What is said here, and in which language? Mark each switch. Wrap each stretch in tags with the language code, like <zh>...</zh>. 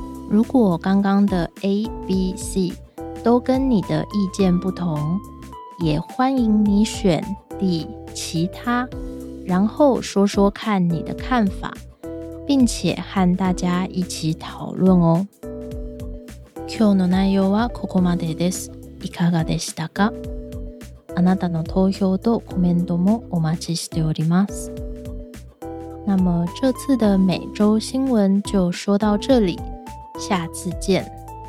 <zh>如果刚刚的 A、B、C 都跟你的意见不同，也欢迎你选第其他，然后说说看你的看法，并且和大家一起讨论哦。</zh> <ja>今日の内容はここまでです。いかがでしたか？あなたの投票とコメントもお待ちしております。</ja> <zh>那么这次的每周新闻就说到这里，下次见。</zh>